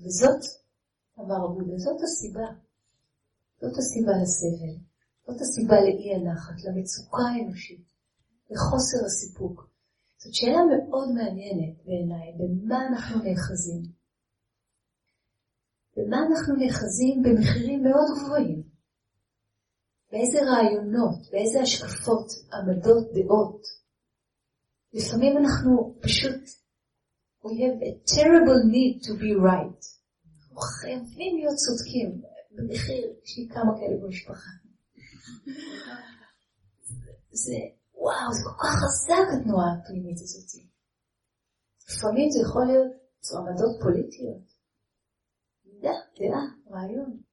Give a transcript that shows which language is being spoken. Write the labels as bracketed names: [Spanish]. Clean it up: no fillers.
[Hebrew] וזאת, אמר הבודה, וזאת הסיבה. זאת הסיבה לסבל, זאת הסיבה לאי הנחת, למצוקה האנושית, לחוסר הסיפוק. זאת שאלה מאוד מעניינת בעיניי, במה אנחנו נאחזים. במה אנחנו נאחזים במחירים מאוד גבוהים. באיזה רעיונות, באיזה השקפות, עמדות, דעות. לפעמים אנחנו פשוט, [English] we have a terrible need to be right. [Hebrew] אנחנו חייבים להיות צודקים, במחיר, יש לי כמה כאלה במשפחה. זה, וואו, זה כל כך חזק התנועה הפנימית הזאת. לפעמים זה יכול להיות עמדות פוליטיות. דעה, דעה, רעיון.